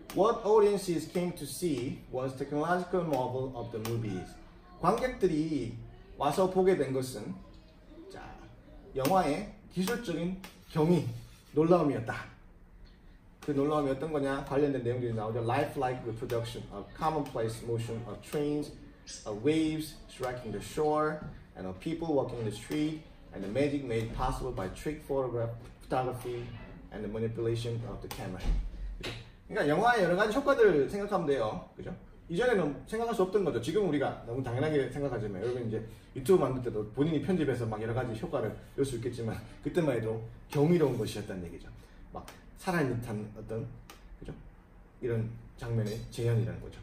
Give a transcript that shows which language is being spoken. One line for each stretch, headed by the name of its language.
English: What audiences came to see was technological marvel of the movies.
Korean: 관객들이 와서 보게 된 것은 자, 영화의 기술적인 경이 놀라움이었다. 그 놀라움이 어떤 거냐 관련된 내용들이 나오죠.
English: Life-like reproduction of commonplace motion of trains, of waves striking the shore, and of people walking the street, and the magic made possible by trick photograph, photography and the manipulation of the camera.
Korean: 그러니까 영화의 여러 가지 효과들 생각하면 돼요. 그죠? 이전에는 생각할 수 없던 거죠. 지금 우리가 너무 당연하게 생각하지만 여러분 이제 유튜브 만들 때도 본인이 편집해서 막 여러 가지 효과를 낼 수 있겠지만 그때만 해도 경이로운 것이었다는 얘기죠. 막 살아있는 듯한 어떤 그죠? 이런 장면의 재현이라는 거죠.